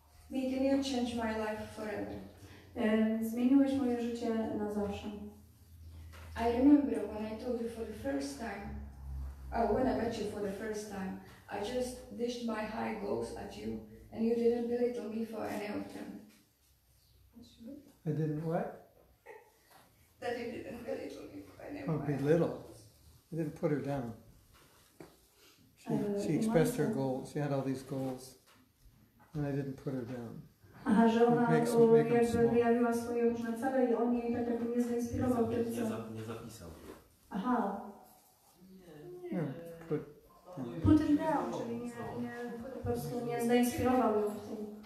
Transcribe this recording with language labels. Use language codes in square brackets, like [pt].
[en] Meeting you changed my life forever. [pl] Zmieniłeś moje życie na zawsze. [en] I remember when I told you for the first time, when I met you for the first time, I just dished my high goals at you, and you didn't belittle me for any of them. I didn't what? That you didn't belittle me for any of them. Oh, belittle. I didn't put her down. She expressed her goals. She had all these goals. And I didn't put her down. [pl] Aha, że ona jakby wyjawiła swoje różne cele i on jej tak jakby nie zainspirował. Nie zapisał. Aha. Nie. [en] Put him down, [pl] czyli nie, po prostu nie zainspirował ją w tym.